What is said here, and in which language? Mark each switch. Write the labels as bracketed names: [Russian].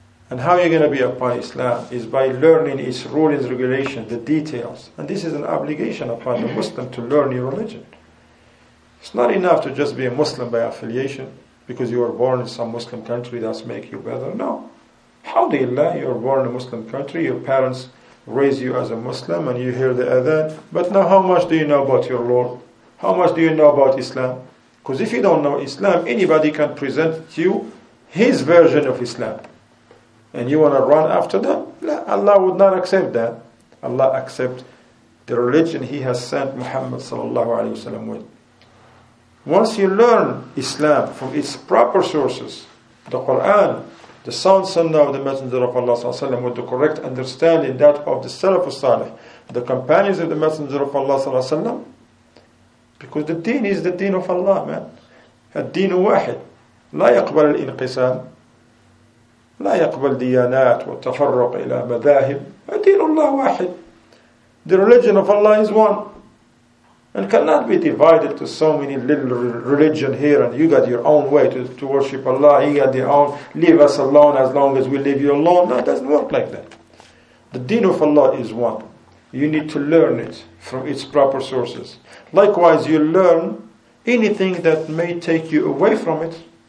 [English] and how you're going to be upon Islam is by learning its rulings, regulations, the details and this is an obligation upon the Muslim to learn your religion It's not enough to just be a Muslim by affiliation because you were born in some Muslim country, that's make you better. No. Alhamdulillah, you were born in a Muslim country, your parents raise you as a Muslim and you hear the adhan. But now how much do you know about your Lord? How much do you know about Islam? Because if you don't know Islam, anybody can present to you his version of Islam. And you want to run after them? Allah would not accept that. Allah accepts the religion he has sent Muhammad sallallahu alayhi wa sallam with. Once you learn Islam from its proper sources, the Quran, the Sunnah of the Messenger of Allah Sallallahu Alaihi Wasallam, with the correct understanding that of the Salaf al-Salih, the companions of the Messenger of Allah Sallallahu Alaihi Wasallam, because the deen is the deen of Allah, man. [Arabic] الدين واحد لا يقبل الانقسام لا يقبل ديانات والتفرق إلى مذاهب الدين الله واحد [English] The religion of Allah is one. And cannot be divided to so many little religion here and you got your own way to worship Allah, he got their own, leave us alone as long as we leave you alone. No, it doesn't work like that. The deen of Allah is one. You need to learn it from its proper sources. Likewise, you learn anything that may take you away from it.